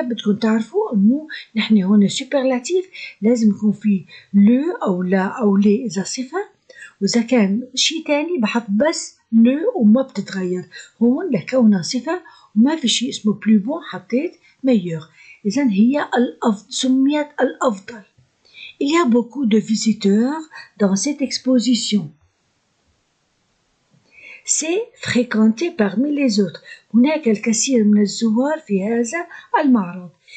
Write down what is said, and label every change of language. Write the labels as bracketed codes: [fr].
[ar] بدكم تعرفوا انه نحن هون سوبرلاتيف لازم يكون في لو او لا او لي اذا صفه، واذا كان شيء ثاني بحط بس لو وما بتتغير. هون لكونها صفه وما في شيء اسمه بلو بون حطيت ميور، اذا هي الافضل، سميت الافضل. [fr] Il y a beaucoup de visiteurs dans cette exposition. C'est fréquenté parmi les autres. [ar] هناك الكثير من الزوار في هذا المعرض.